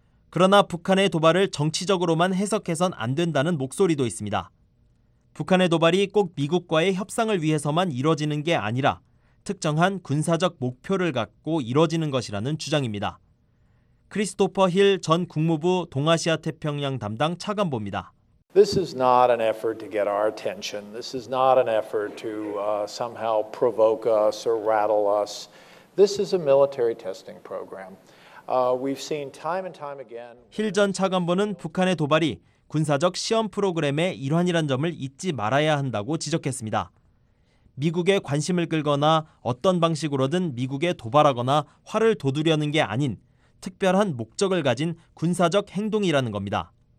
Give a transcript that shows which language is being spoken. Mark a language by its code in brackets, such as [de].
[ko] 그러나 북한의 도발을 정치적으로만 해석해선 안 된다는 목소리도 있습니다. 북한의 도발이 꼭 미국과의 협상을 위해서만 이뤄지는 게 아니라 특정한 군사적 목표를 갖고 이뤄지는 것이라는 주장입니다. 크리스토퍼 힐 전 국무부 동아시아 태평양 담당 차관보입니다. [en] This is not an effort to get our attention. This is not an effort to somehow provoke us or rattle us. This is a military testing program. We've seen time and time again. [ko] 힐 전 차관보는 북한의 도발이 군사적 시험 프로그램의 일환이란 점을 잊지 말아야 한다고 지적했습니다. 미국의 관심을 끌거나 어떤 방식으로든 미국에 도발하거나 화를 돋우려는 게 아닌 특별한 목적을 가진 군사적 행동이라는 겁니다.